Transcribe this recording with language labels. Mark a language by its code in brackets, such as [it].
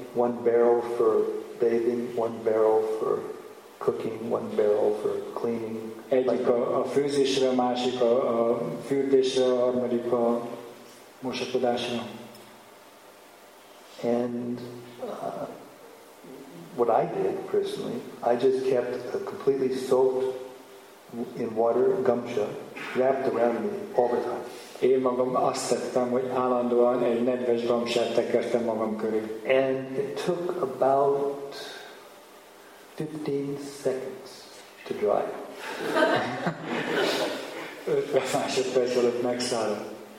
[en] One barrel for bathing, one barrel for cooking, one barrel for cleaning. [hu] Egyik a főzésre, a másik a fürdésre, a harmadik a mosakodásra. [en] And what I did personally, I just kept a completely soaked in water gumsha wrapped around me all the time. [hu] Én magam azt tettem, hogy állandóan egy nedves gumsát tekertem magam köré. [en] And it took about 15 seconds to dry. [hu] 50 másodperc alatt megszáradt.